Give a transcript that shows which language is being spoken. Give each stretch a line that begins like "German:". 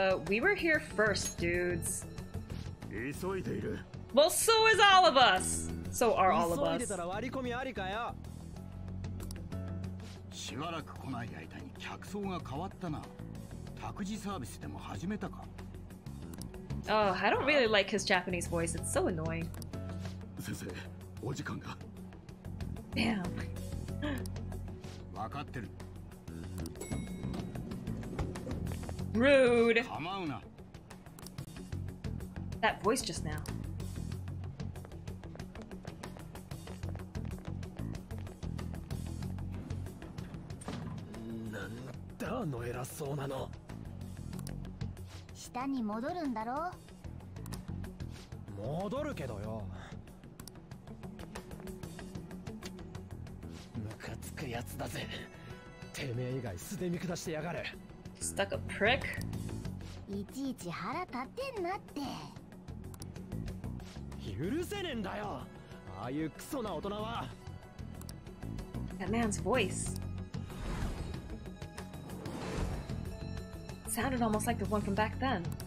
English: We were here first, dudes.
Japanese: 急いでいる。
English: Well, so is all of us. So are all of us.
Japanese: 急いでたら割り込みありかよ。しばらく来ない間に客層が変わったな。託児サービスでも始めたか。
English: Oh, I don't really like his Japanese voice. It's so annoying.
Japanese: 先生、お時間が。
English: Damn.
Japanese: 分かってる。
English: Rude. Come on. That voice just now.
Japanese: の偉そうなの。下に戻るんだろう。戻るけどよ。ムカつくやつだぜ。てめえ以外素で見下してやがる。
English: Stuck a prick。
Japanese: いちいち腹立てんなって。許せねえんだよ。ああいうクソな大人は。
English: That man's voice sounded almost like the one from back then.